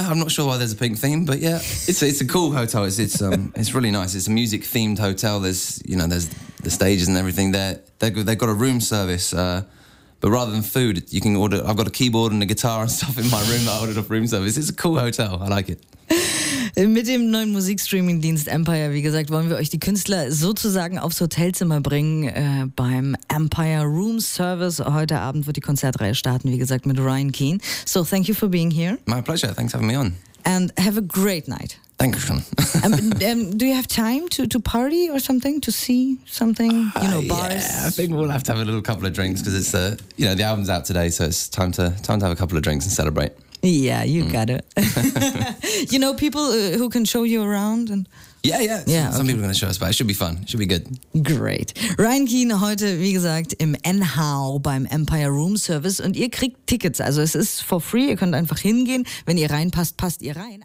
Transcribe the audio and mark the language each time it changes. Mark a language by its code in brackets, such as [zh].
[en] I'm not sure why there's a pink theme, but yeah. It's a cool hotel. It's really nice. It's a music-themed hotel. There's, you know, there's the stages and everything there. They've got a room service, but rather than food, you can order... I've got a keyboard and a guitar and stuff in my room that I ordered off room service. It's a cool hotel. I like it. [de] Mit dem neuen Musikstreaming-Dienst Empire, wie gesagt, wollen wir euch die Künstler sozusagen aufs Hotelzimmer bringen, beim Empire Room Service. Heute Abend wird die Konzertreihe starten, wie gesagt, mit Ryan Keane. [en] So, thank you for being here. My pleasure. Thanks for having me on. And have a great night. Thank you, Sean. Do you have time to party or something, to see something, you know, bars? Yeah, I think we'll have to have a little couple of drinks because it's, you know, the album's out today, so it's time to have a couple of drinks and celebrate. Yeah, you got it. You know people who can show you around? And Yeah. Some people are going to show us, but it should be fun. It should be good. Great. [de] Ryan Keane heute, wie gesagt, im NHAU beim Empire Room Service. Und ihr kriegt Tickets. Also es ist [en] for free. [de] Ihr könnt einfach hingehen. Wenn ihr reinpasst, passt ihr rein.